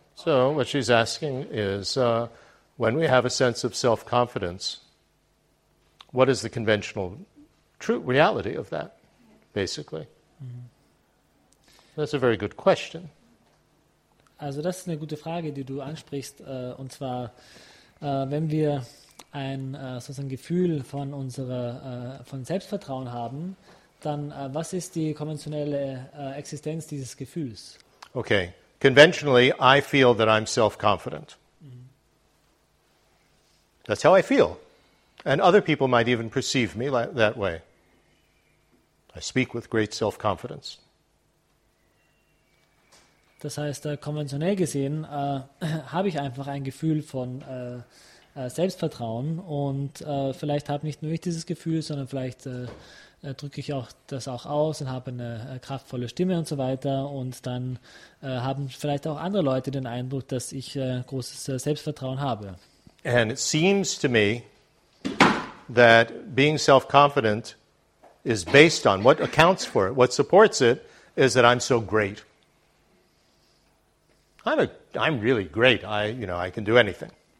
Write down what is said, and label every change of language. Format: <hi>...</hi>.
<en>So what she's asking is, when we have a sense of self-confidence, what is the conventional true reality of that, basically? Mm-hmm. That's a very good question.</en> <de>Also das ist eine gute Frage, die du ansprichst. Und zwar, wenn wir ein sozusagen Gefühl von unserer von Selbstvertrauen haben, dann was ist die konventionelle Existenz dieses Gefühls?</de> <en>Okay. Conventionally, I feel that I'm self-confident. That's how I feel. And other people might even perceive me that way. I speak with great self-confidence.</en> <de>Das heißt, konventionell gesehen, habe ich einfach ein Gefühl von Selbstvertrauen und vielleicht habe nicht nur ich dieses Gefühl, sondern vielleicht drücke ich auch das auch aus und habe eine kraftvolle Stimme und so weiter und dann haben vielleicht auch andere Leute den Eindruck, dass ich großes Selbstvertrauen habe.</de> <en>And it seems to me that being self-confident is based on what accounts for it, what supports it, is that I'm so great. I'm really great. I can do anything.</en>